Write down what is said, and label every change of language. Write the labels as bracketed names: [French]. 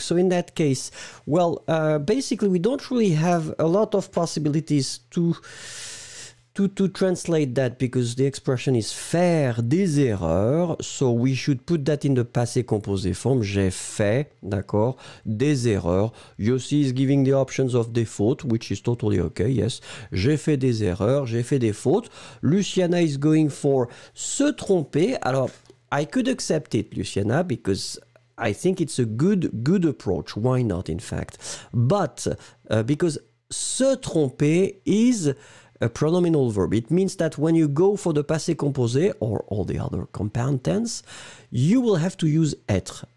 [English] So in that case, well, basically, we don't really have a lot of possibilities to translate that because the expression is faire des erreurs. So we should put that in the passé composé form. [French] J'ai fait, d'accord, des erreurs. [English] Yossi is giving the options of des fautes, which is totally okay, yes. [French] J'ai fait des erreurs, j'ai fait des fautes. [English] Luciana is going for se tromper. Alors, I could accept it, Luciana, because I think it's a good approach. Why not, in fact? But, because se tromper is a pronominal verb. It means that when you go for the passé composé or all the other compound tense, you will have to use être.